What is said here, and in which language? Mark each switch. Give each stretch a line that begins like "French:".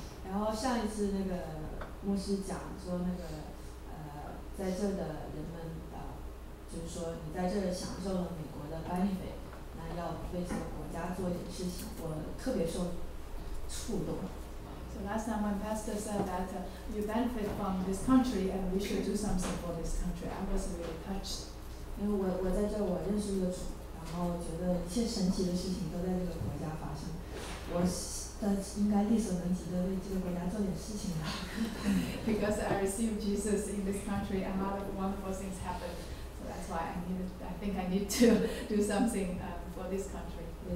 Chinese: 然后上一次那个牧师讲说那个在这的人们就是说你在这享受了美国的
English: benefit，
Chinese: 那要为这个国家做点事情，我特别受。
English: So last time my pastor said that you benefit from this country and we should do something for this country, I was really touched.
Chinese: 因为我在这我认识了主，然后觉得一切神奇的事情都在这个国家发生，我应该力所能及的为这个国家做点事情啊。
English: Because I received Jesus in this country, a lot of wonderful things happened. So that's why I think I need to do something for this country.